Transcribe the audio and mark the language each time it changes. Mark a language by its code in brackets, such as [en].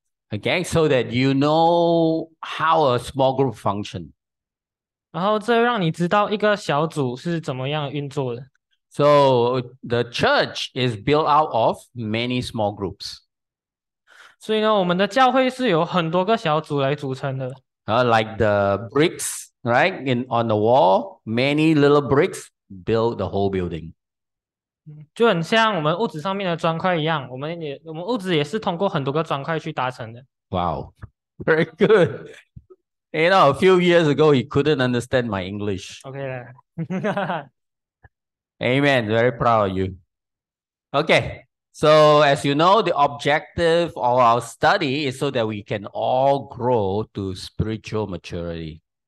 [en] Again, so that you know how a small group functions. [zh] 然后这让你知道一个小组是怎么样运作的。 [en] So the church is built out of many small groups. [zh] 所以呢，我们的教会是由很多个小组来组成的。 [en] Like the bricks, right? On the wall, many little bricks build the whole building. [zh] 就很像我们屋子上面的砖块一样，我们屋子也是通过很多个砖块去达成的。 [en] Wow, very good. You know, a few years ago, he couldn't understand my English. Okay. Amen. Very proud of you. Okay. So as you know, the objective of our study is so that we can all grow to spiritual maturity.